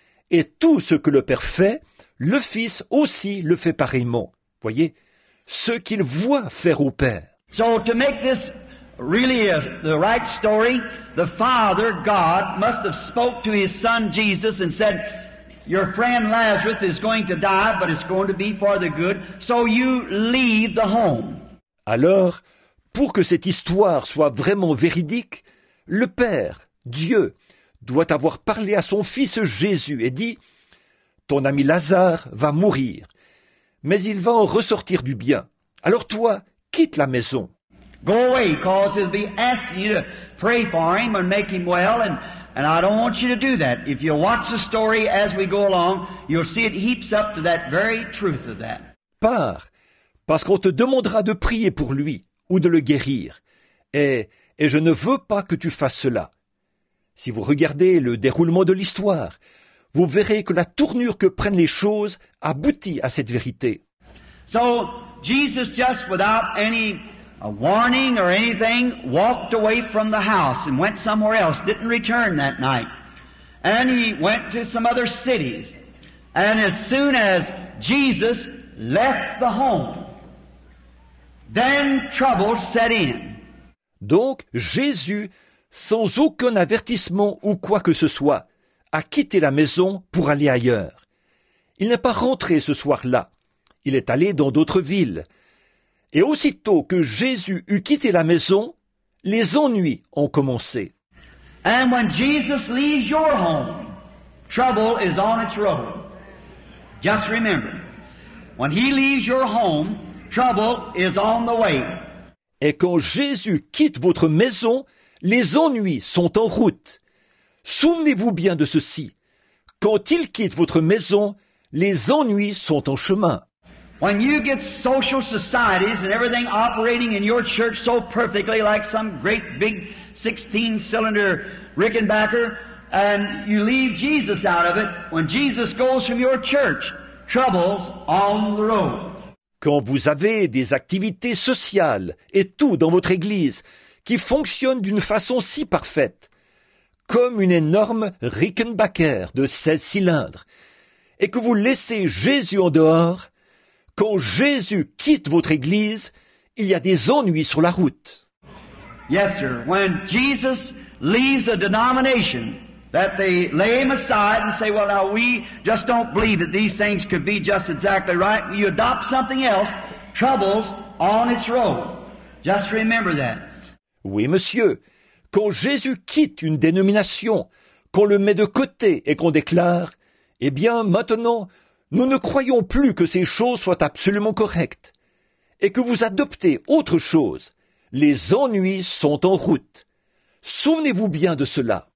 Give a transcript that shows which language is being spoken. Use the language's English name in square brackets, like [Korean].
[French] Et tout ce que le Père fait, le Fils aussi le fait pareillement. Voyez, ce qu'il voit faire au Père. [English] So to make this really the right story, the Father, God, must have spoke to his Son Jesus and said, your friend Lazarus is going to die, but it's going to be for the good, so you leave the home. [French] Alors, pour que cette histoire soit vraiment véridique, le Père, Dieu, doit avoir parlé à son fils Jésus et dit, ton ami Lazare va mourir, mais il va en ressortir du bien. Alors toi, quitte la maison. [English] Go away, cause he'll be asking you to pray for him and make him well, and I don't want you to do that. If you watch the story as we go along, you'll see it heaps up to that very truth of that. [French] Pars, parce qu'on te demandera de prier pour lui ou de le guérir, et je ne veux pas que tu fasses cela. Si vous regardez le déroulement de l'histoire, vous verrez que la tournure que prennent les choses aboutit à cette vérité. [English] So, Jesus just without any... a warning or anything, walked away from the house and went somewhere else, didn't return that night. And he went to some other cities. And as soon as Jesus left the home, then trouble set in. [French] Donc, Jésus, sans aucun avertissement ou quoi que ce soit, a quitté la maison pour aller ailleurs. Il n'est pas rentré ce soir-là. Il est allé dans d'autres villes. Et aussitôt que Jésus eut quitté la maison, les ennuis ont commencé. [English] And when Jesus leaves your home, trouble is on its road. Just remember, when he leaves your home, trouble is on the way. [French] Et quand Jésus quitte votre maison, les ennuis sont en route. Souvenez-vous bien de ceci. Quand ils quittent votre maison, les ennuis sont en chemin. [English] When you get social societies and everything operating in your church so perfectly like some great big 16-cylinder Rickenbacker, and you leave Jesus out of it, when Jesus goes from your church, trouble's on the road. [French] Quand vous avez des activités sociales et tout dans votre église qui fonctionne d'une façon si parfaite, comme une énorme Rickenbacker de 16 cylindres, et que vous laissez Jésus en dehors, quand Jésus quitte votre église, il y a des ennuis sur la route. [English] Yes, sir. When Jesus leaves a denomination that they lay him aside and say, well, now we just don't believe that these things could be just exactly right. You adopt something else, trouble's on its road. Just remember that. [French] Oui, monsieur. Quand Jésus quitte une dénomination, qu'on le met de côté et qu'on déclare, eh bien, maintenant, nous ne croyons plus que ces choses soient absolument correctes et que vous adoptez autre chose. Les ennuis sont en route. Souvenez-vous bien de cela.